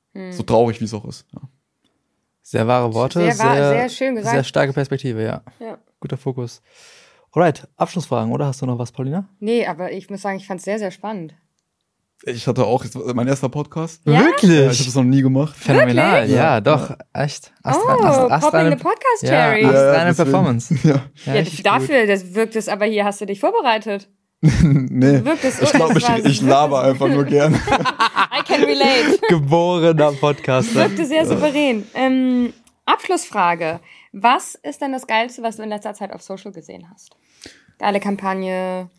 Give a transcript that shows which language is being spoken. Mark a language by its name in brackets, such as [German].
[German] So traurig, wie es auch ist, ja. Sehr wahre Worte, sehr schön gesagt. Sehr starke Perspektive, ja. Guter Fokus. Alright, Abschlussfragen, oder? Hast du noch was, Paulina? Nee, aber ich muss sagen, ich fand es sehr, sehr spannend. Ich hatte auch mein erster Podcast. Ja? Wirklich? Ich habe es noch nie gemacht. Phänomenal, wirklich? Ja, doch, echt. [English] Popping the Podcast, Cherry. [German] Ja, deine Performance. Ja, dafür das wirkt es aber hier, hast du dich vorbereitet? Nee, ich laber einfach nur gern. [English] I can relate. [German] Geborener Podcaster. Wirkte sehr souverän. Abschlussfrage. Was ist denn das Geilste, was du in letzter Zeit auf Social gesehen hast? Geile Kampagne.